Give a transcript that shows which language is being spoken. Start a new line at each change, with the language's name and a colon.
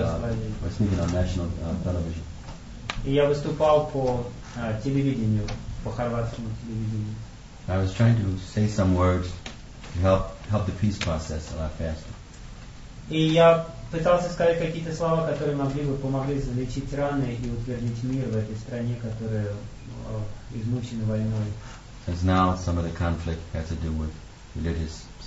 English: I was speaking on national television.
Russian: И я выступал по телевидению, по хорватскому телевидению.
English: I was trying to say some words to help the peace process a lot faster.
Russian: И я пытался сказать какие-то слова, которые могли бы помогли залечить раны и утвердить мир в этой стране, которая измучена войной.
English: Because now some of the conflict has to do with religious